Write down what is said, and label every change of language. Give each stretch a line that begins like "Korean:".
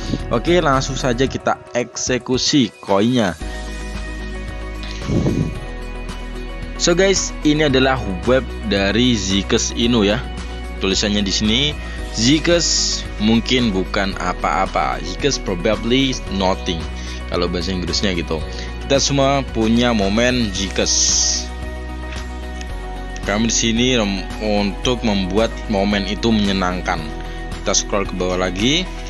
Indonesian: Oke, langsung saja kita eksekusi koinnya. So guys, ini adalah web dari Zcash Inu ya. Tulisannya di sini, Zcash mungkin bukan apa-apa.
English: Zcash probably nothing.
Indonesian: Kalau bahasa Inggrisnya gitu. Kita semua punya momen Zcash. Kami di sini untuk membuat momen itu menyenangkan. Kita scroll ke bawah lagi.